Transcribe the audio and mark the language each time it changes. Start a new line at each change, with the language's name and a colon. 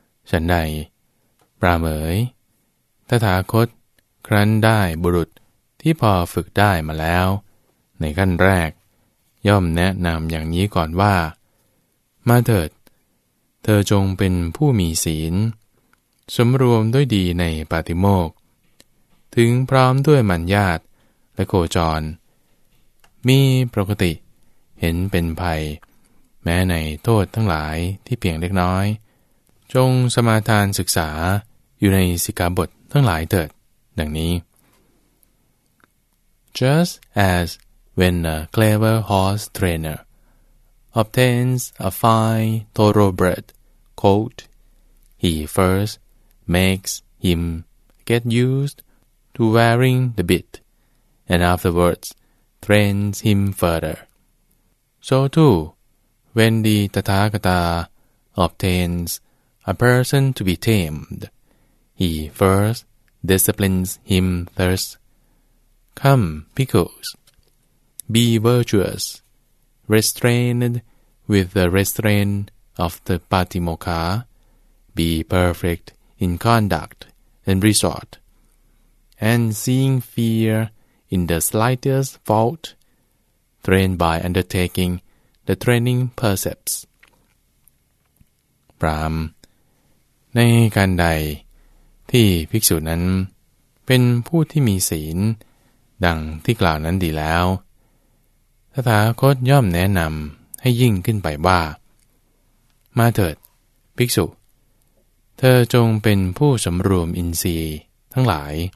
Thai: ฉันใดปราเหมยตถาคตครั้นได้บุรุษที่พอฝึกได้มาแล้วในขั้นแรกย่อมแนะนำอย่างนี้ก่อนว่ามาเถิดเธอจงเป็นผู้มีศีลสมรวมด้วยดีในปาติโมกถึงพร้อมด้วยมัญญาตและโคจร มีปกติเห็นเป็นภัยแม้ในโทษทั้งหลายที่เพียงเล็กน้อยจงสมาทานศึกษาอยู่ในสิกขาบททั้งหลายเถิดดังนี้
English: Just as when a clever horse trainer obtains a fine thoroughbred colt, he first makes him get used to wearing the bit, and afterwards trains him further. So too, when the Tathagata obtains a person to be tamed, he first disciplines him thus. Come, Bhikkhus, be virtuous, restrained with the restraint of the Patimokkha, be perfect in conduct and resort, and seeing fear in the slightest fault, train by undertaking the training precepts.
Thai: พราหมณ์ในการใดที่ภิกษุนั้นเป็นผู้ที่มีศีลดังที่กล่าวนั้นดีแล้วตถาคตย่อมแนะนำให้ยิ่งขึ้นไปว่ามาเถิดภิกษุเธอจงเป็นผู้สำรวมอินทรีย์ทั้งหลาย